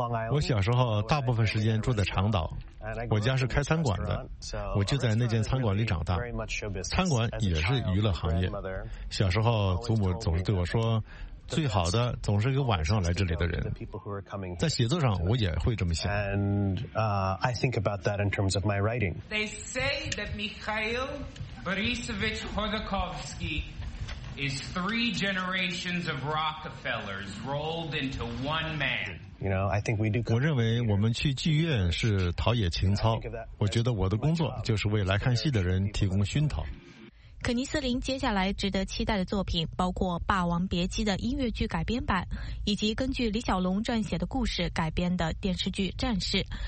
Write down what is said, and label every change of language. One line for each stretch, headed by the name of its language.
Chinese: 我小时候大部分时间住在长岛，我家是开餐馆的，我就在那间餐馆里长大，餐馆也是娱乐行业。小时候祖母总是对我说，最好的总是一个晚上来这里的人。在写作上我也会这么想。
English: I think about that in terms of my writing. They say that Mikhail Borisovich Khodorkovsky is 3 generations of Rockefellers rolled into one man. You know, I think we do.
Chinese: 我认为我们去剧院是陶冶情操，我觉得我的工作就是为来看戏的人提供熏陶。肯尼斯林接下来值得期待的作品包括《霸王别姬》的音乐剧改编版，以及根据李小龙撰写的故事改编的电视剧《战士》。